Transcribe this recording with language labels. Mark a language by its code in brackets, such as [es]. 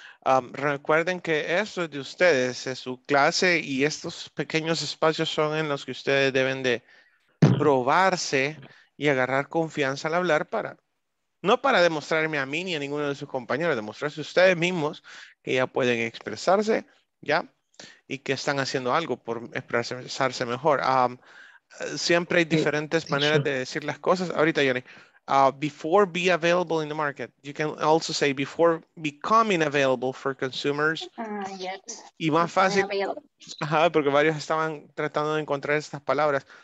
[es] Recuerden que eso es de ustedes, es su clase, y estos pequeños espacios son en los que ustedes deben de probarse y agarrar confianza al hablar para, no para demostrarme a mí ni a ninguno de sus compañeros, demostrarse ustedes mismos que ya pueden expresarse, ¿ya? Y que están haciendo algo por expresarse mejor. Siempre hay diferentes maneras de decir las cosas. Ahorita, [en] Yoni. Before be available in the market. You can also say before becoming available for consumers. Yes. [es] Y más fácil. Ajá, porque varios estaban tratando de encontrar estas palabras.